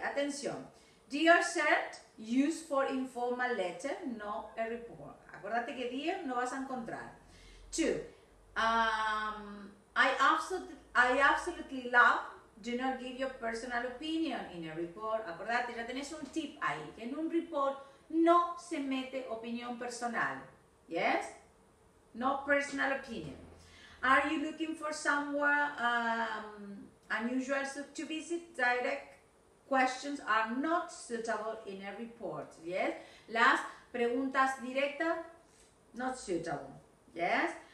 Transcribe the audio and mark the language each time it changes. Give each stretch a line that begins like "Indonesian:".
English: Atención. Dear sir, use for informal letter, not a report.
Spanish: Acuérdate que dear no vas a encontrar. 2.
English: I absolutely love, do not give your personal opinion in a report.
Spanish: Acordate, ya tenés un tip ahí, que en un report no se mete opinión personal.
English: Yes? No personal opinion. Are you looking for somewhere unusual to visit? Direct questions are not suitable in a report. Yes?
Spanish: Las preguntas directas,
English: not suitable. Yes?